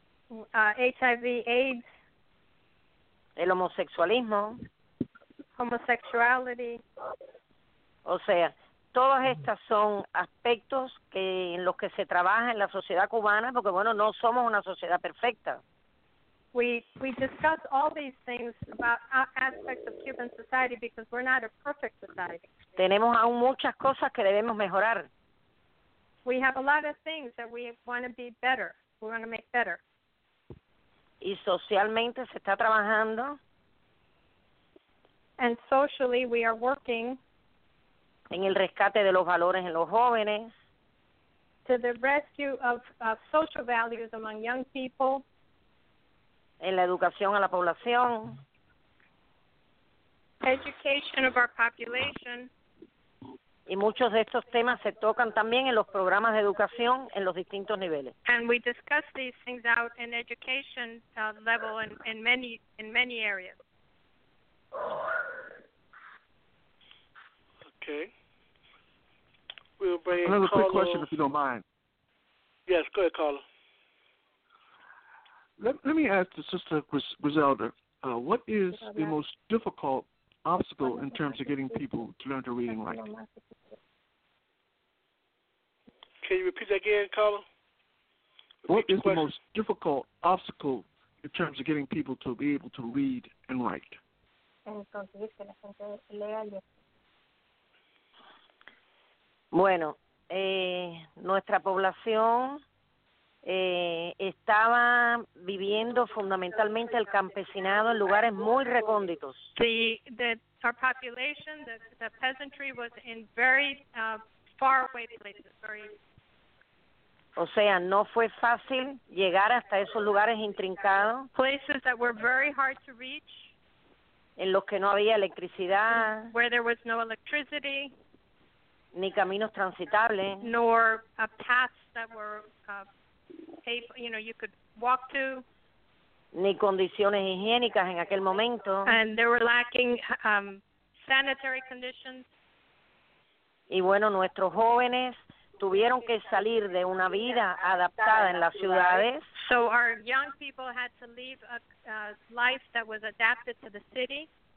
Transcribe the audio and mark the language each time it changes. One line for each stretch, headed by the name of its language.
English: HIV/AIDS,
Spanish: el homosexualismo,
English: homosexuality.
Spanish: O sea, todas estas son aspectos que en los que se trabaja en la sociedad cubana, porque bueno, no somos una sociedad perfecta.
English: We discuss all these things about aspects of Cuban society because we're not a perfect society.
Spanish: Tenemos aún muchas cosas que debemos mejorar.
English: We have a lot of things that we want to be better. We want to make better.
Spanish: Y socialmente se está trabajando.
English: And socially we are working.
Spanish: En el rescate de los valores en los jóvenes.
English: To the rescue of social values among young people.
Spanish: En la educación a la población.
English: Education of our population.
Spanish: Y muchos de estos temas se tocan también en los programas de educación en los distintos niveles.
English: And we discuss these things out in education level in many areas. Okay. We'll bring another Carlos. Quick question, if you don't mind. Yes, go ahead, Carla. Let me ask the sister Griselda, what is the most difficult obstacle in terms of getting people to learn to read and write? Can you repeat that again, Carla? What is the most difficult obstacle in terms of getting people to be able to read and write?
Spanish: Bueno, nuestra población estaba viviendo fundamentalmente el campesinado en lugares muy recónditos.
English: Our population, the peasantry, was in very far away places.
Spanish: O sea, no fue fácil llegar hasta esos lugares intrincados.
English: Places that were very hard to reach.
Spanish: En los que no había electricidad.
English: Where there was no electricity.
Spanish: Ni caminos transitables.
English: Nor a path that were you could walk to.
Spanish: Ni condiciones higiénicas en aquel momento.
English: And they were lacking sanitary conditions.
Spanish: Y bueno, nuestros jóvenes tuvieron que salir de una vida adaptada en las ciudades.
English: So our young people had to leave a life that was adapted to the city.